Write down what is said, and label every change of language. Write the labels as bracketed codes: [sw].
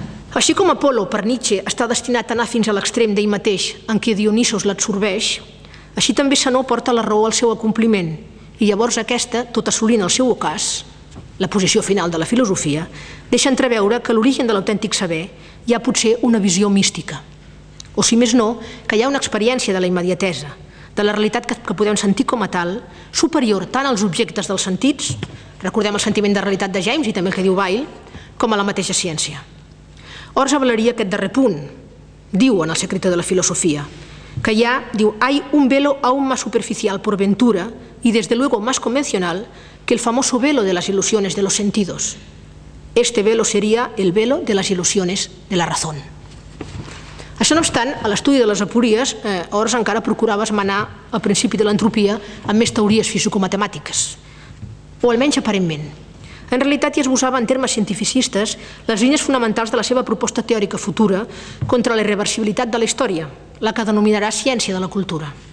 [ca] Així com Apolo, per Nietzsche, està destinat a anar fins a l'extrem d'ell mateix, en què Dionisos l'absorbeix, així també Zenó porta la raó al seu acompliment, i llavors aquesta, tot assolint el seu ocàs, la posició final de la filosofia, deixa entreveure que l'origen de l'autèntic saber hi ha potser una visió mística. O si més no, que hi ha una experiència de la immediatesa, de la realitat que podem sentir com a tal, superior tant als objectes dels sentits, recordem el sentiment de realitat de James i també el que diu Bayle, com a la mateixa ciència. Ors avalaria aquest darrer punt, diu [es] en el secreto de la filosofia, [ca] que hi ha, diu, [es] hay un velo aún más superficial por ventura y desde luego más convencional que el famoso velo de las ilusiones de los sentidos. Este velo sería el velo de las ilusiones de la razón. [ca] Això no obstant, a l'estudi de les apories, Ors encara procurava esmenar el principi de l'entropia amb més teories fisicomatemàtiques, o almenys aparentment. En realitat hi esbossava en termes cientificistes les línies fonamentals de la seva proposta teòrica futura contra la irreversibilitat de la història, la que denominarà ciència de la cultura.